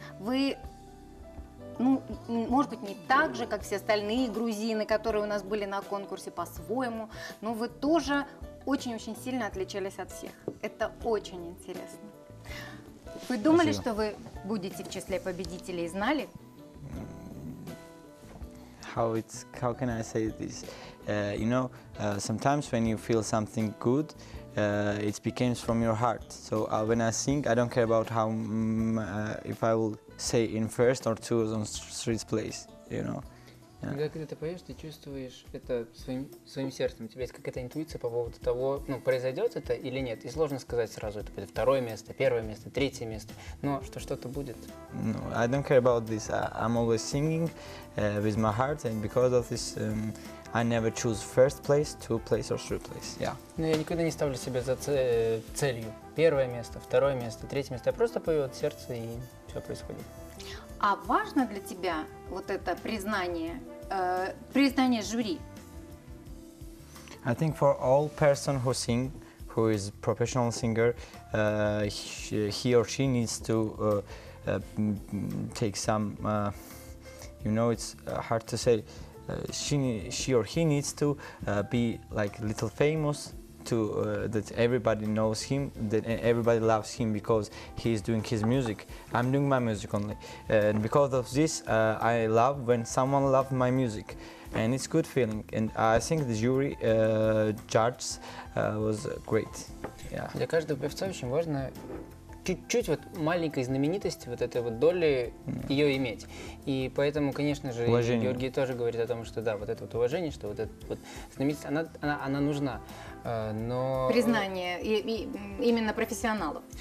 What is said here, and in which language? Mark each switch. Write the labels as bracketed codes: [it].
[ru] Вы, ну, может быть, не так же, как все остальные грузины, которые у нас были на конкурсе по-своему, но вы тоже очень-очень сильно отличались от всех. Это очень интересно. Вы думали, Спасибо. Что вы будете в числе победителей, знали? [en] How can I say this? You know, sometimes when you feel something good, it becomes from your heart. So when I sing, I don't care about how if I will say in first or two on third place, you know. Yeah. [ru] Когда ты поешь, ты чувствуешь это своим сердцем. У тебя есть какая-то интуиция по поводу того, ну, произойдет это или нет. И сложно сказать сразу, это будет второе место, первое место, третье место. Но что-то будет. [en] No, I don't care about this. I'm always singing with my heart, and because of this, I never choose first place, two place or three place. Yeah. [ru] Но я никогда не ставлю себе за целью первое место, второе место, третье место. Я просто пою от сердца, и все происходит. А важно для тебя вот это признание, признание жюри? [en] I think for all person who sing, who is professional singer, he or she needs to take some, you know, it's hard to say, she or he needs to be like little famous. To that everybody knows him, that everybody loves him because he is doing his music. I'm doing my music only, and because of this, I love when someone loves my music, and it's good feeling. And I think the jury judges was great. Yeah. [ru] Для каждого певца очень важно чуть-чуть вот маленькой знаменитости вот этой вот доли ее иметь. И поэтому, конечно же, уважение. Георгий тоже говорит о том, что да, вот это вот уважение, что вот эта вот знаменитость, она нужна. Но... Признание и именно профессионалов.